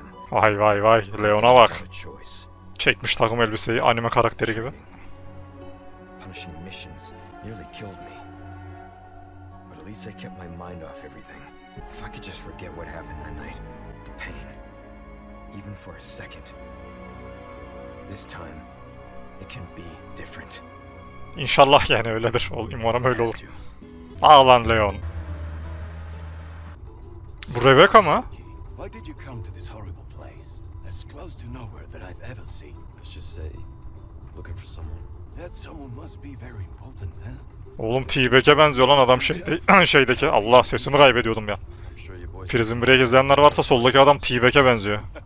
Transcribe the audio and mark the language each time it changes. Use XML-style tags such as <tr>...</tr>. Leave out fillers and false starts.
<tr>Vay vay vay, Leon'a bak. Çekmiş takım elbiseyi, anime karakteri gibi.</tr> <en>Punishing missions nearly killed me, but at least I kept my mind off everything. If I could just forget what happened that night, the pain. Even for a second. This time, it can be different.</en> <tr>İnşallah yani öyledir. Umarım öyle olur. Ağlan Leon. Bu Rebecca mı?</tr> <en>Why did you come to this horrible place? As close to nowhere that I've ever seen. Let's just say, looking for someone. That someone must be very important, huh?</en> <tr>Oğlum T-Bag'e benziyor lan adam şeydeki. Allah sesimi kaybediyordum ya. Prison Break izleyenler varsa soldaki adam T-Bag'e benziyor.</tr>